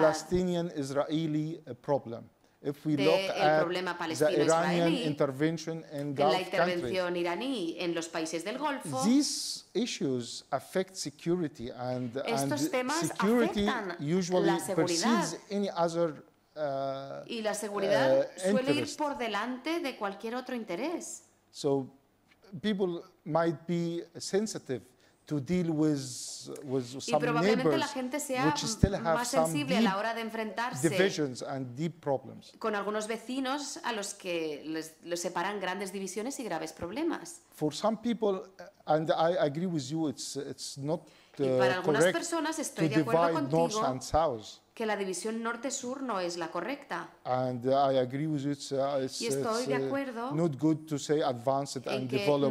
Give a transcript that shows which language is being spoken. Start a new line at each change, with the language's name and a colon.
English: Palestinian-Israeli problem. If we look at the Iranian intervention in Gulf countries, these issues affect security, and security usually precedes any other
Spanish: y la seguridad suele ir por delante de cualquier otro interés.
English: So people might be sensitive to deal with some neighbors, which still have some deep divisions and deep problems.
Spanish: Con algunos vecinos a los que los separan grandes divisiones y graves problemas.
English: For some people, and I agree with you, it's not correct
Spanish: personas,
English: to divide north and south.
Spanish: que la división norte-sur no es la correcta.
English: And I agree with it.
Spanish: Y estoy de acuerdo.
English: Not good to say advanced and developed countries.